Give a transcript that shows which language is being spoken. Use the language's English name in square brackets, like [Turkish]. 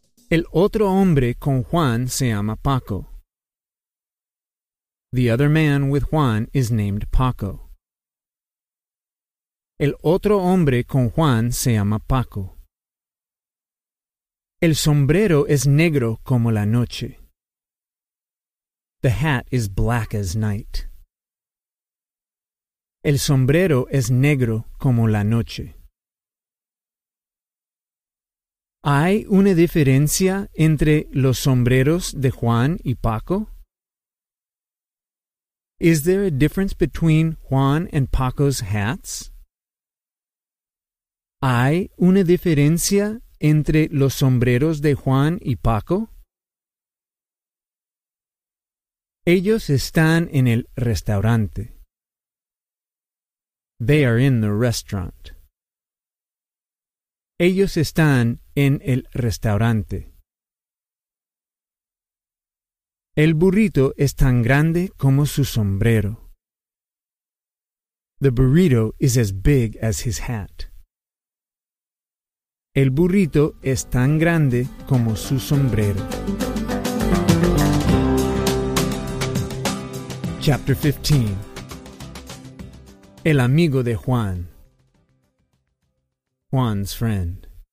[Spanish] El otro hombre con Juan se llama Paco. [English] The other man with Juan is named Paco. [Spanish] El otro hombre con Juan se llama Paco. El sombrero es negro como la noche. [English] The hat is black as night. [Spanish] El sombrero es negro como la noche. ¿Hay una diferencia entre los sombreros de Juan y Paco? [English] Is there a difference between Juan and Paco's hats? [Spanish] ¿Hay una diferencia entre los sombreros de Juan y Paco? Ellos están en el restaurante. [English] They are in the restaurant. [Spanish] Ellos están en el restaurante. El burrito es tan grande como su sombrero. [English] The burrito is as big as his hat. [Spanish] El burrito es tan grande como su sombrero. [English] Chapter 15. [Spanish] El amigo de Juan. [English] Juan's friend.